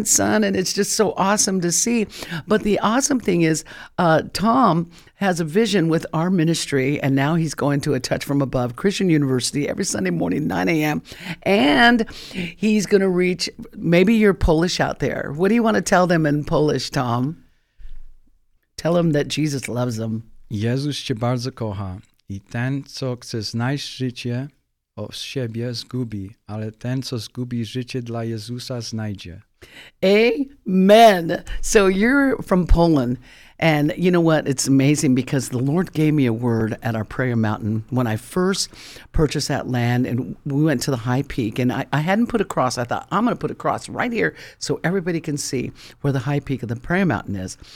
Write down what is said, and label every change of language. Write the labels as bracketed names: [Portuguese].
[English] And son, and it's just so awesome to see. But the awesome thing is, Tom has a vision with our ministry, and now he's going to A Touch from Above Christian University every Sunday morning, 9 a.m. And he's going to reach, maybe you're Polish out there. What do you want to tell them in Polish, Tom? Tell them that Jesus loves them. [Polish] Jezus cię bardzo kocha. I ten, co chce znać życie o siebie, zgubi. Ale ten, co zgubi życie dla Jezusa, znajdzie. [English] Amen. So you're from Poland, And you know what? It's amazing because the Lord gave me a word at our prayer mountain when I first purchased that land and we went to the high peak. And I hadn't put a cross. I thought, I'm going to put a cross right here so everybody can see where the high peak of the prayer mountain is.